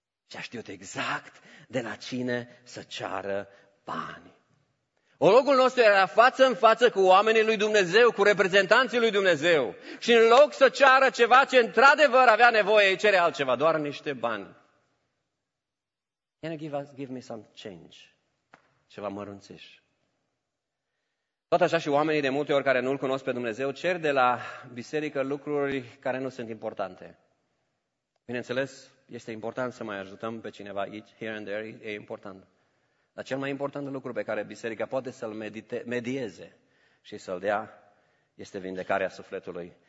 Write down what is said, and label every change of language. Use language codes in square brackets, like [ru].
[ro] Și a știut exact de la cine să ceară bani. Ologul nostru era față în față cu oamenii lui Dumnezeu, cu reprezentanții lui Dumnezeu. Și în loc să ceară ceva ce într-adevăr avea nevoie, îi cere altceva, doar niște bani. [en] Can you give me some change? [ro] Ceva mărunțiș. Tot așa și oamenii de multe ori care nu-L cunosc pe Dumnezeu cer de la biserică lucruri care nu sunt importante. Bineînțeles, este important să mai ajutăm pe cineva aici, [en] here and there, [ro] e important. Dar cel mai important lucru pe care biserica poate să-l medieze și să-l dea este vindecarea sufletului.